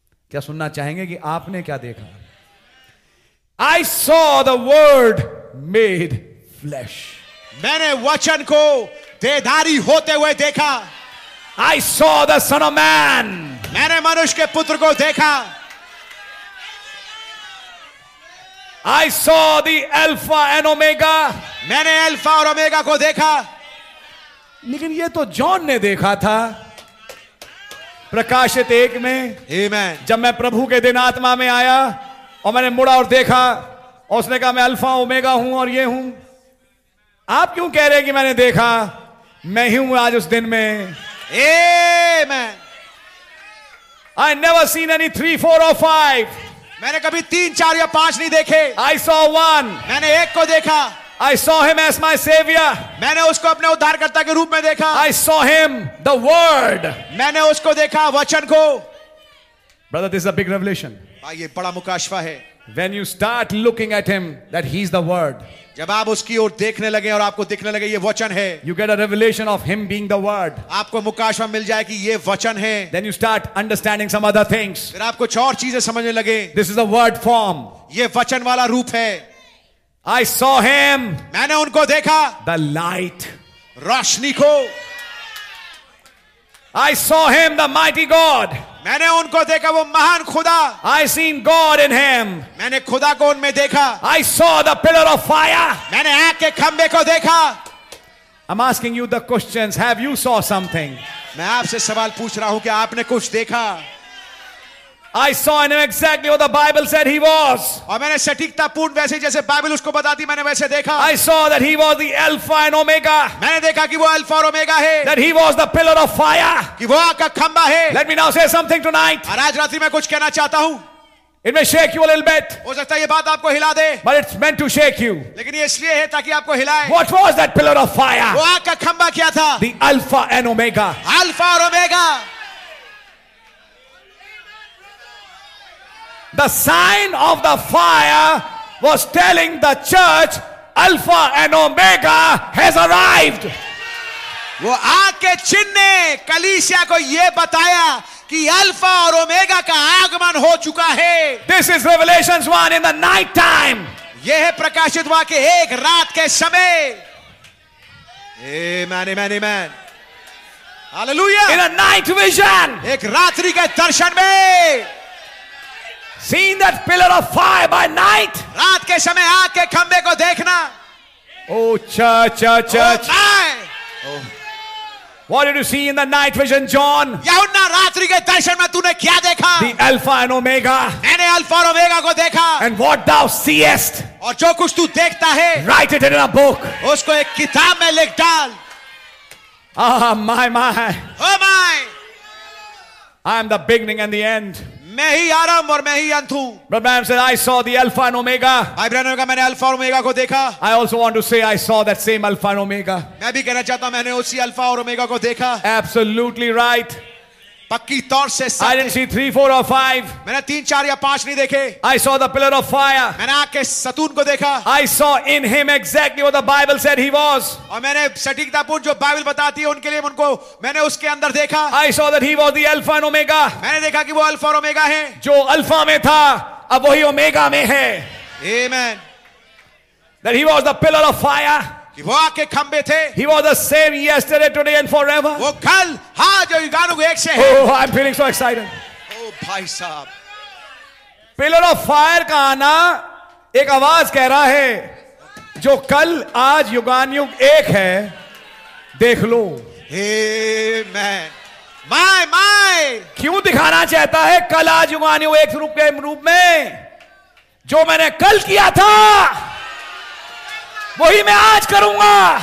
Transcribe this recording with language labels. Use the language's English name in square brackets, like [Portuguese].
[Hindi] क्या सुनना चाहेंगे कि आपने क्या देखा? [English] I saw the word made flesh. [Hindi] मैंने वचन को देहधारी होते हुए देखा. [English] I saw the son of man. [Hindi] मैंने मनुष्य के पुत्र को देखा. [English] I saw the Alpha and Omega. [Hindi] मैंने अल्फा और ओमेगा को देखा. लेकिन ये तो जॉन ने देखा था प्रकाशित एक में. [English] Amen. [Hindi] जब मैं प्रभु के दिन आत्मा में आया और मैंने मुड़ा और देखा और उसने कहा मैं अल्फा ओमेगा हूं और ये हूं. आप क्यों कह रहे हैं कि मैंने देखा? मैं ही हूं आज उस दिन में. [English] Amen. I never seen any 3, 4 or 5. [Hindi] मैंने कभी 3, 4 या 5 नहीं देखे. [English] I saw one. [Hindi] मैंने एक को देखा. [English] I saw him as my savior. [Hindi] मैंने उसको अपने उद्धारकर्ता के रूप में देखा. [English] I saw him the word. [Hindi] मैंने उसको देखा वचन को. [English] Brother, this is a big revelation. [Hindi] भाई ये बड़ा मुकाशवा है. [English] When you start looking at him, that he is the word. [Hindi] जब आप उसकी ओर देखने लगे और आपको दिखने लगे ये वचन है, [English] you get a revelation of him being the word. [Hindi] आपको मुकाशवा मिल जाए कि ये वचन है, [English] then you start understanding some other things. [Hindi] फिर आपको कुछ और चीजें समझने लगे. [English] This is a word form. [Hindi] ये वचन वाला रूप है. [English] I saw him. [Hindi] मैंने उनको देखा. [English] The light. [Hindi] रोशनी को. [English] I saw him, the mighty God. [Hindi] मैंने उनको देखा वो महान खुदा. [English] I seen God in him. [Hindi] मैंने खुदा को उनमें देखा. [English] I saw the pillar of fire. [Hindi] मैंने आग के खंभे को देखा. [English] I'm asking you the questions. Have you saw something? [Hindi] मैं आपसे सवाल पूछ रहा हूं कि आपने कुछ देखा? [English] I saw him exactly what the Bible said he was. [Hindi] और मैंने सटीकता पूर्ण वैसे जैसे बाइबल उसको बताती मैंने वैसे देखा. [English] I saw that he was the Alpha and Omega. [Hindi] मैंने देखा कि वो अल्फा और ओमेगा है. [English] That he was the pillar of fire. [Hindi] कि वो आग का खंबा है. [English] Let me now say something tonight. [Hindi] और आज रात्रि मैं कुछ कहना चाहता हूँ. [English] It may shake you a little bit. [Hindi] हो सकता है ये बात आपको हिला दे. [English] But it's meant to shake you. [Hindi] लेकिन ये इसलिए है ताकि आपको हिलाए. [English] What was that pillar of fire? [Hindi] वो आग का खंबा क्या था? [English] The Alpha and Omega. [Hindi] Alpha और omega. [English] The sign of the fire was telling the church, Alpha and Omega has arrived. [Hindi] वो आग के चिन्ह ने कलीसिया को ये बताया कि अल्फा और ओमेगा का आगमन हो चुका है. [English] This is Revelations 1 in the night time. [Hindi] ये है प्रकाशित वाक्य एक रात के समय. [English] Amen, amen, amen. Hallelujah. In a night vision. [Hindi] एक रात्रि के दर्शन में. [English] Seeing that pillar of fire by night. [Hindi] रात के समय आग के खंबे को देखना. [English] Oh church, church, church. Oh, what did you see in the night vision, John? [Hindi] यहूदा रात्रि के दर्शन में तूने क्या देखा? [English] The Alpha and Omega. [Hindi] मैंने अल्फा और ओमेगा को देखा. [English] And what thou seest. [Hindi] और जो कुछ तू देखता है. [English] Write it in a book. [Hindi] उसको एक किताब में लिख डाल. [English] Ah, my, my. Oh my. I am the beginning and the end. [Hindi] मैं ही आरंभ और मैं ही अंत हूं. [English] But Abraham said, I saw the Alpha and Omega. [Hindi] Abraham ने कहा मैंने अल्फा और ओमेगा को देखा. [English] I also want to say I saw that same Alpha and Omega. [Hindi] मैं भी कहना चाहता हूं मैंने उसी अल्फा और ओमेगा को देखा. [English] Absolutely right. [Hindi] पक्की तौर से. [English] I didn't see 3, 4, or 5. [Hindi] मैंने 3, 4, or 5 नहीं देखे. [English] I saw the pillar of fire. [Hindi] मैंने आग के सतून को देखा. [English] I saw in him exactly what the Bible said he was. [Hindi] और मैंने सटीकता पूर्ण जो बाइबल बताती है उनके लिए उनको मैंने उसके अंदर देखा. [English] I saw that he was the Alpha and Omega. [Hindi] मैंने देखा कि वो अल्फा और ओमेगा है. जो अल्फा में था अब वही ओमेगा में है. [English] Amen. That he was the pillar of fire. [Hindi] वो आग के खंबे थे. [English] He was the same yesterday, today, and forever. [Hindi] वो कल, आज और युगानुयुग से है. [English] Oh, I'm feeling so excited. [Hindi] Oh, भाई साहब. [English] Pillar of fire [Hindi] का आना एक आवाज कह रहा है जो कल आज युगानुयुग एक है देख लो. [English] Amen. My, my. [Hindi] क्यों दिखाना चाहता है कल आज युगानुयुग एक रूप में जो मैंने कल किया था वही मैं आज करूंगा.